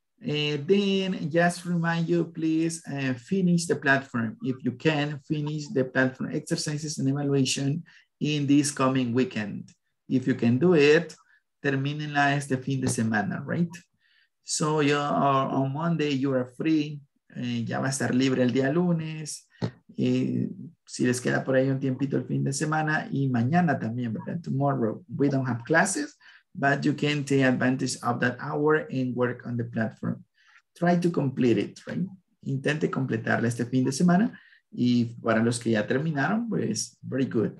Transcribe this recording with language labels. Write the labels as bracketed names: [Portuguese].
[English] Then just remind you, please finish the platform. If you can, finish the platform exercises and evaluation in this coming weekend. If you can do it, terminalize the [Spanish] fin de semana, [English] right? So you are on Monday, you are free. [Spanish] Ya va a estar libre el día lunes. Si les queda por ahí un tiempito el fin de semana y mañana también, ¿verdad? [English] Tomorrow, we don't have classes. But you can take advantage of that hour and work on the platform. Try to complete it, right? [Spanish] Intente completarla este fin de semana. Y para los que ya terminaron, pues, [English] very good.